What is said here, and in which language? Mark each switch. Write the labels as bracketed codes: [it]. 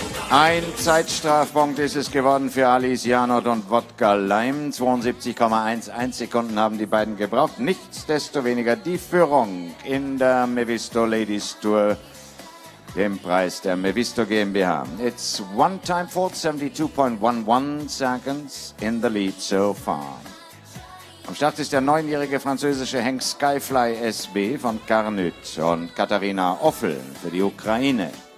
[de] Ein Zeitstrafpunkt ist es geworden für Alice Janot und Wodka Lime. 72,11 Sekunden haben die beiden gebraucht. Nichtsdestoweniger die Führung in der Mevisto Ladies Tour, dem Preis der Mevisto GmbH. [en] It's one time for 72.11 seconds in the lead so far. [de] Am Start ist der neunjährige französische Hank Skyfly SB von Carnut und Katharina Offel für die Ukraine.